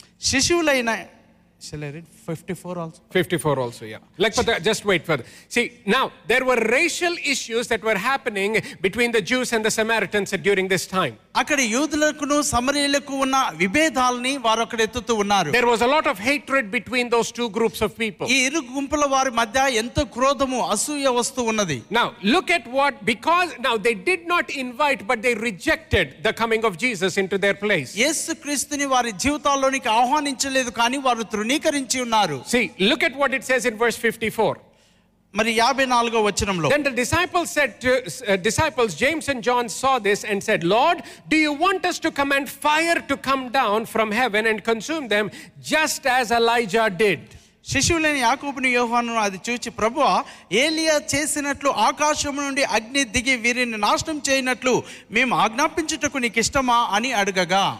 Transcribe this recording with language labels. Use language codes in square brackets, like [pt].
[te] శిశువులైన అక్కడ యూదులకును సమరయులకు ఉన్న విభేదాలని వారు అక్కడ ఎత్తుతూ ఉన్నారు. [en] There was a lot of hatred between those two groups of people. [te] ఈ ఇరు గుంపుల వారి మధ్య ఎంతో క్రోధము, అసూయ వస్తూ ఉన్నది. [en] Now look at what, because now they did not invite but they rejected the coming of Jesus into their place. [te] యేసు క్రీస్తుని వారి జీవితాల్లోనికి ఆహ్వానించలేదు, కానీ వారు తృణీకరించి ఉన్నారు. [en] See, look at what it says in verse 54. [te] మరి 54వ వచనంలో, [en] then the disciples said to disciples James and John saw this and said, Lord, do you want us to command fire to come down from heaven and consume them just as Elijah did? [te] శిశువులైన యాకోబును యోహానును అది చూచి, ప్రభువా, ఏలియా చేసినట్లు ఆకాశము నుండి అగ్ని దిగి వీరిని నాశనం చేయనట్లు మేము ఆజ్ఞాపించుటకు నీకు ఇష్టమా అని అడగగా,